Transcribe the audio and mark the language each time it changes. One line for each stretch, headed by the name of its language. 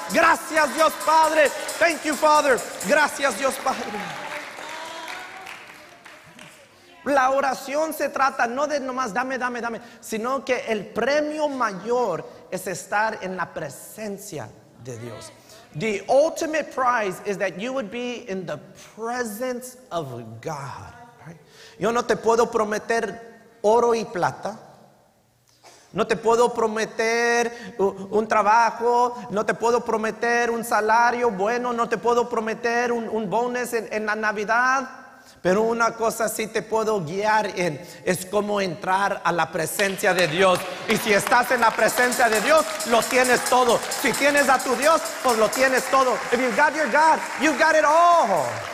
Spanish: Gracias Dios Padre.
English: Thank you Father.
Spanish: Gracias Dios Padre. La oración se trata no de nomás dame, sino que el premio mayor es estar en la presencia de Dios.
English: The ultimate prize is that you would be in the presence of God.
Spanish: Yo no te puedo prometer oro y plata. No te puedo prometer un trabajo. No te puedo prometer un salario bueno. No te puedo prometer un bonus en la Navidad. Pero una cosa sí te puedo guiar en, es cómo entrar a la presencia de Dios. Y si estás en la presencia de Dios, lo tienes todo. Si tienes a tu Dios, pues lo tienes todo.
English: If you've got your God, you've got it all.